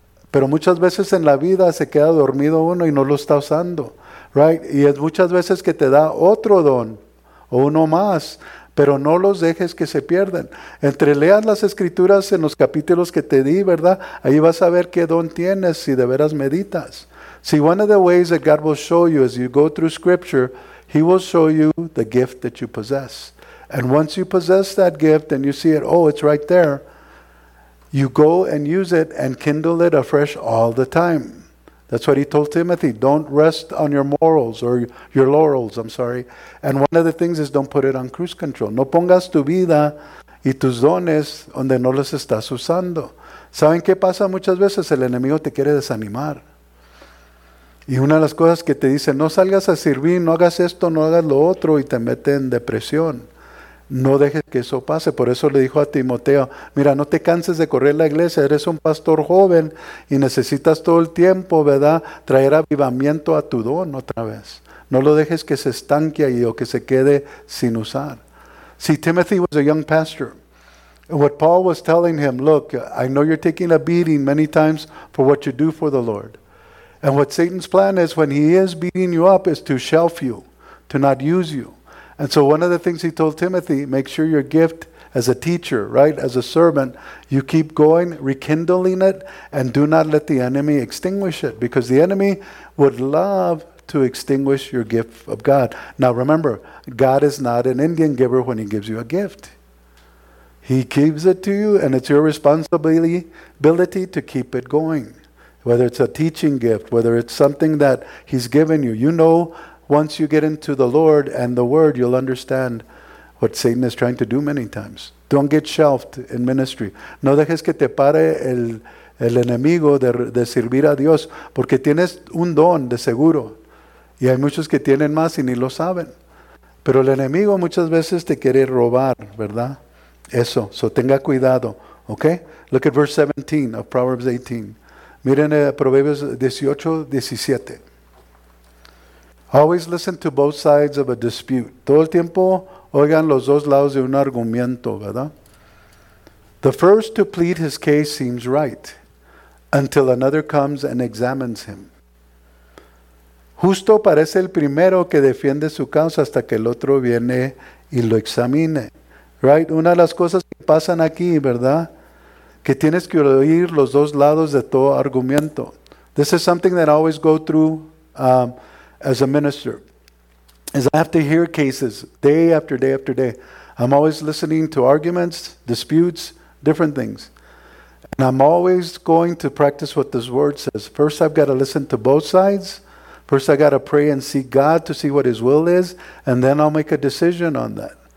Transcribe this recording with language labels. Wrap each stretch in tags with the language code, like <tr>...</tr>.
<es>Pero muchas veces en la vida se queda dormido uno y no lo está usando, right? Y es muchas veces que te da otro don o uno más, pero no los dejes que se pierdan. Entre leas las escrituras en los capítulos que te di, ¿verdad? Ahí vas a ver qué don tienes si de veras meditas.</es> <en>See, one of the ways that God will show you as you go through scripture, he will show you the gift that you possess. And once you possess that gift and you see it, oh, it's right there, you go and use it and kindle it afresh all the time. That's what he told Timothy. Don't rest on your morals or your laurels, I'm sorry. And one of the things is don't put it on cruise control.</en> <es>No pongas tu vida y tus dones donde no los estás usando. ¿Saben qué pasa? Muchas veces el enemigo te quiere desanimar. Y una de las cosas que te dice, no salgas a servir, no hagas esto, no hagas lo otro, y te mete en depresión. No dejes que eso pase. Por eso le dijo a Timoteo, mira, no te canses de correr la iglesia. Eres un pastor joven y necesitas todo el tiempo, ¿verdad?, traer avivamiento a tu don otra vez. No lo dejes que se estanque ahí o que se quede sin usar.</es> <en>See, Timothy was a young pastor. What Paul was telling him, look, I know you're taking a beating many times for what you do for the Lord. And what Satan's plan is when he is beating you up is to shelf you, to not use you. And so one of the things he told Timothy, make sure your gift as a teacher, right, as a servant, you keep going, rekindling it, and do not let the enemy extinguish it. Because the enemy would love to extinguish your gift of God. Now remember, God is not an Indian giver when he gives you a gift. He gives it to you, and it's your responsibility to keep it going. Whether it's a teaching gift, whether it's something that he's given you. You know, once you get into the Lord and the Word, you'll understand what Satan is trying to do many times. Don't get shelved in ministry.</en> <es>No dejes que te pare el enemigo de servir a Dios, porque tienes un don de seguro. Y hay muchos que tienen más y ni lo saben. Pero el enemigo muchas veces te quiere robar, ¿verdad? Eso. So tenga cuidado, okay?</es> <en>Look at verse 17 of Proverbs 18.</en> <es>Miren Proverbios 18, 17.</es> <en>Always listen to both sides of a dispute.</en> <es>Todo el tiempo oigan los dos lados de un argumento, ¿verdad?</es> <en>The first to plead his case seems right, until another comes and examines him.</en> <es>Justo parece el primero que defiende su causa hasta que el otro viene y lo examine. Right? Una de las cosas que pasan aquí, ¿verdad?, que tienes que oír los dos lados de todo argumento.</es> <en>This is something that I always go through as a minister. is I have to hear cases day after day after day. I'm always listening to arguments, disputes, different things. And I'm always going to practice what this word says. First, I've got to listen to both sides. First, I got to pray and seek God to see what His will is. And then I'll make a decision on that.</en>